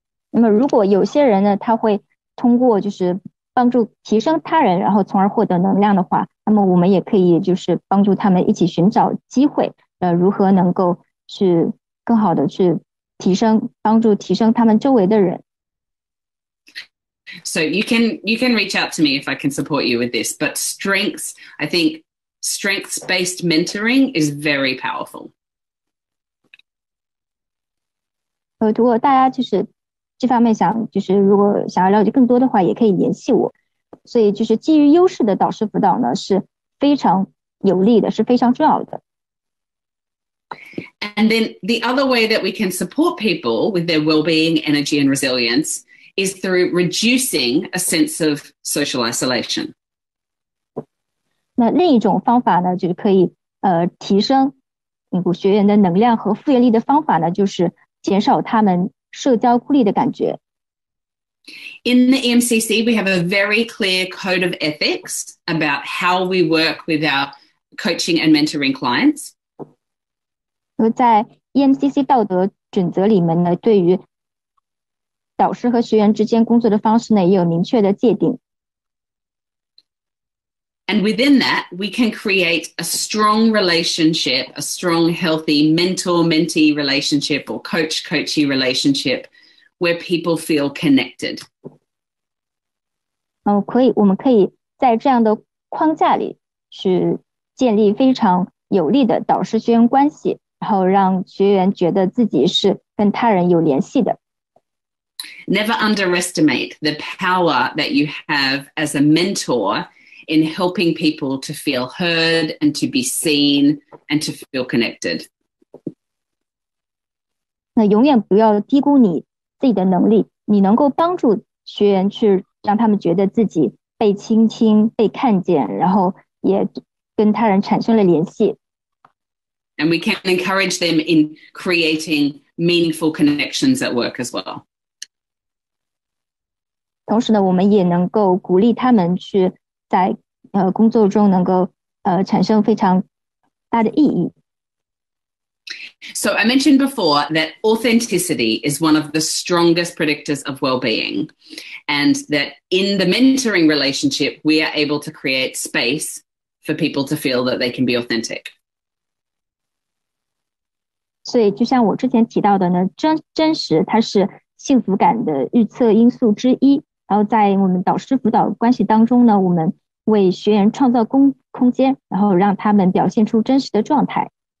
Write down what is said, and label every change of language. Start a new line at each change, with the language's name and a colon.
Chinese: 那么如果有些人呢他会通过就是帮助提升他人然后从而获得能量的话，那么我们也可以就是帮助他们一起寻找机会，如何能够去更好的去提升，帮助提升他们周围的人。
English: So you can reach out to me if I can support you with this. But strengths, I think strengths-based mentoring is very powerful.
Chinese: 如果大家就是这方面想，就是如果想要了解更多的话，也可以联系我。所以就是基于优势的导师辅导呢，是非常有利的，是非常重要的。
English: And then the other way that we can support people with their well-being, energy, and resilience is through reducing a sense of social isolation.
Chinese: 那另一种方法呢，就是可以提升学员的能量和复原力的方法呢，就是减少他们社交孤立的感觉。
English: In the EMCC, we have a very clear code of ethics about how we work with our coaching and mentoring clients.
Chinese: 在 EMCC 道德准则里面呢，对于导师和学员之间工作的方式呢，也有明确的界定。
English: And within that, we can create a strong relationship, a strong, healthy mentor-mentee relationship or coach-coachee relationship where people feel connected.
Chinese: 可以，我们可以在这样的框架里去建立非常有力的导师学员关系，然后让学员觉得自己是跟他人有联系的。
English: Never underestimate the power that you have as a mentor in helping people to feel heard and to be seen and to feel connected.
Chinese: 那永远不要低估你自己的能力，你能够帮助学员去让他们觉得自己被倾听、被看见，然后也跟他人产生了联系。
English: And we can encourage them in creating meaningful connections at work as well.
Chinese: 同时呢，我们也能够鼓励他们去在工作中能够产生非常大的意义。
English: So I mentioned before that authenticity is one of the strongest predictors of well-being, and that in the mentoring relationship, we are able to create space for people to feel that they can be authentic.
Chinese: 所以就像我之前提到的呢，真实它是幸福感的预测因素之一。然后在我们导师辅导关系当中呢，我们为学员创造空间，然后让他们表现出真实的状态。